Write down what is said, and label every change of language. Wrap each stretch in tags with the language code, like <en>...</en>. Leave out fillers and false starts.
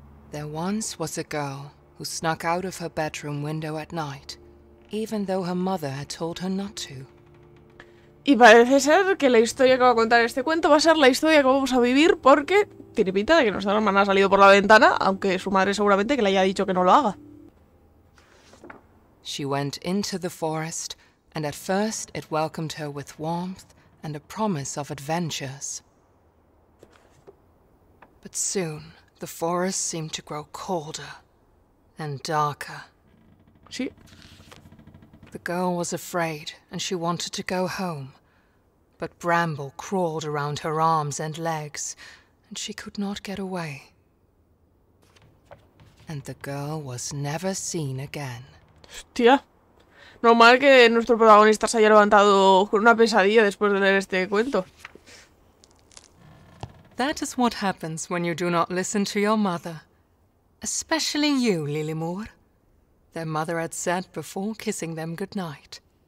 <en>There once was a girl who snuck out of her bedroom window at night, even though her mother had told her not to.</en> <es>Y parece ser que la historia que va a contar este cuento va a ser la historia que vamos a vivir porque tiene pinta de que nuestra hermana ha salido por la ventana, aunque su madre seguramente que le haya dicho que no lo haga.</es> <en>She went into the forest, and at first it welcomed her with warmth and a promise of adventures. But soon the forest seemed to grow colder and darker.</en> <es>Sí.</es> <en>The girl was afraid and she wanted to go home, but Bramble crawled around her arms and legs and she could not get away. And the girl was never seen again.</en> <es>Hostia, normal que nuestro protagonista se haya levantado con una pesadilla después de leer este cuento.</es> <en>That is what happens when you do not listen to your mother. Especially you, Lilimor. Their mother had said before kissing them goodnight.</en>